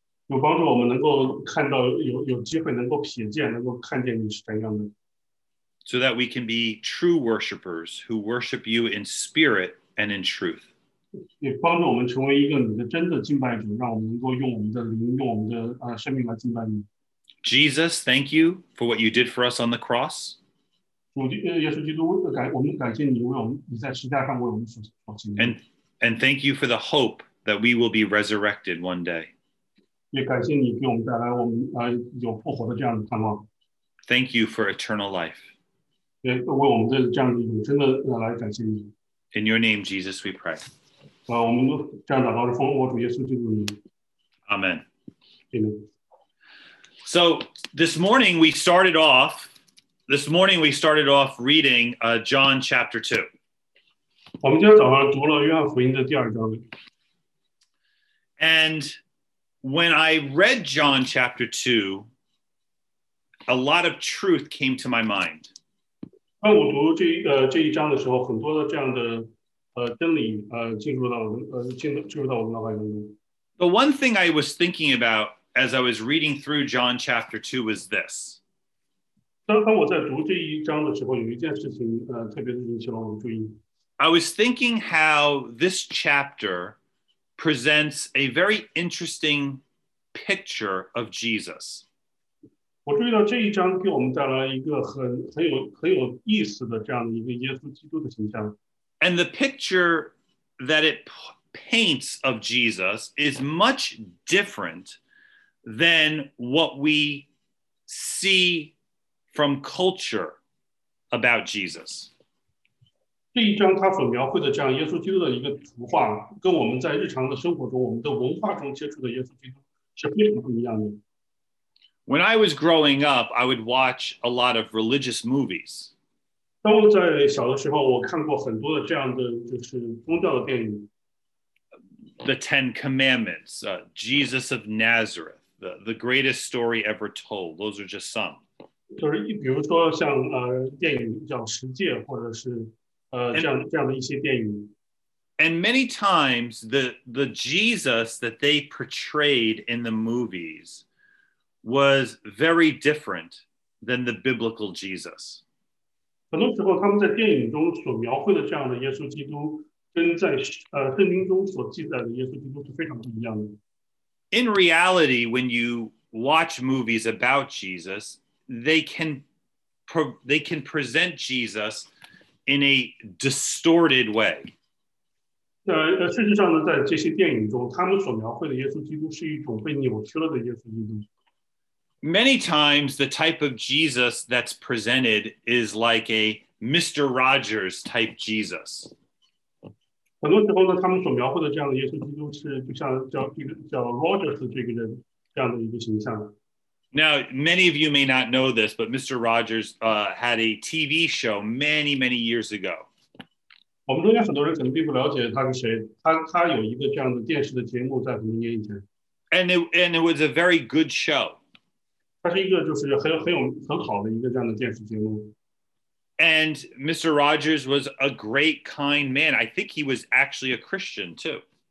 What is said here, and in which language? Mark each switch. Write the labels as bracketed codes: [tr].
[zh] 有帮助我们能够看到有机会能够瞥见能够看见你是怎样的。 [en] So that we can be true worshipers who worship you in spirit and in truth. [zh] 也帮助我们成为一个你的真的敬拜主，让我们能够用我们的灵，用我们的生命来敬拜你。 [en] Jesus, thank you for what you did for us on the cross. [zh] 耶稣基督，我们感谢你为我们你在十字架上为我们所行的。 [en] And thank you for the hope that we will be resurrected one day. [zh] 也感谢你给我们带来我们有复活的这样的盼望。 [en] Thank you for eternal life. [zh] 也为我们这样的永生的来感谢你。 [en] In your name, Jesus, we pray. [zh] 我们这样祷告是奉我主耶稣基督的名。 [en] Amen. So this morning we started off reading John chapter 2. [zh] 我们今天早上读了约翰福音的第二章。 [en] And when I read John chapter 2, a lot of truth came to my mind. [zh] 当我读这一章的时候，很多的这样的真理进入到我脑海当中。 [en] The one thing I was thinking about as I was reading through John chapter 2 was this. [zh] 当我在读这一章的时候，有一件事情特别引起了我的注意。 [en] I was thinking how this chapter. Presents a very interesting picture of Jesus. [zh] 我注意到这一章给我们带来一个很有意思的这样一个耶稣基督的形象。 [en] And the picture that it paints of Jesus is much different than what we see from culture about Jesus. [zh] 这一章他所描绘的这样耶稣基督的一个图画，跟我们在日常的生活中、我们的文化中接触的耶稣基督是非常不一样的。 [en] When I was growing up, I would watch a lot of religious movies. [zh] 当我在小的时候，我看过很多的这样的就是宗教的电影。 [en] The Ten Commandments, Jesus of Nazareth, the greatest story ever told. Those are just some. [zh] 就是比如说像电影叫《十诫》，或者是。 [en] And many times the Jesus that they portrayed in the movies was very different than the biblical Jesus. [zh] 很多时候他们在电影中所描绘的这样的耶稣基督跟在圣经中所记载的耶稣基督是非常不一样的。 [en] In reality, when you watch movies about Jesus, they can present Jesus. In a distorted way. [zh] 事实上呢，在这些电影中，他们所描绘的耶稣基督是一种被扭曲了的耶稣基督。 [en] Many times, the type of Jesus that's presented is like a Mr. Rogers type Jesus. [zh] 很多时候呢, 他们所描绘的这样的耶稣基督是就像叫Rogers这个人这样的一个形象。 [en] Now, many of you may not know this, but Mr. Rogers had a TV show many, many years ago. [zh] 我们中间很多人可能并不了解他是谁，他有一个这样的电视的节目在很多年以前。 [en] And it was a very good show. [zh] 它是一个就是很好的一个这样的电视节目。 [en] And Mr. Rogers was a great, kind man. I think he was actually a Christian, too.